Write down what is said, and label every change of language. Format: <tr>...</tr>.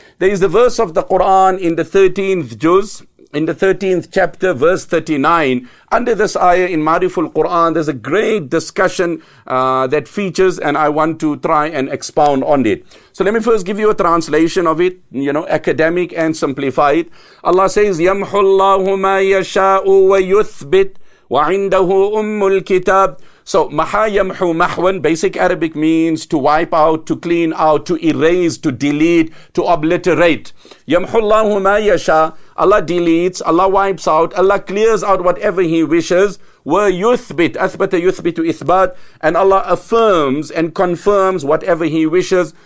<en>There is a verse of the Quran in the 13th juz, in the 13th chapter, verse 39, under this ayah in Ma'riful Quran, there's a great discussion that features, and I want to try and expound on it. So let me first give you a translation of it, you know, academic and simplified. Allah says,</en> <ar>يَمْحُ اللَّهُ مَا يَشَاءُ وَيُثْبِتْ وَعِنْدَهُ أُمُّ الْكِتَابِ.</ar> <en>So,</en> <ar>مَحَا يَمْحُ مَحْوَن,</ar> <en>basic Arabic means to wipe out, to clean out, to erase, to delete, to obliterate.</en> <ar>يَمْحُ اللَّهُ مَا يَشَاءُ,</ar> <en>Allah deletes, Allah wipes out, Allah clears out whatever He wishes. Wa yuthbit, athbata yuthbitu ithbat, and Allah affirms and confirms whatever He wishes.</en>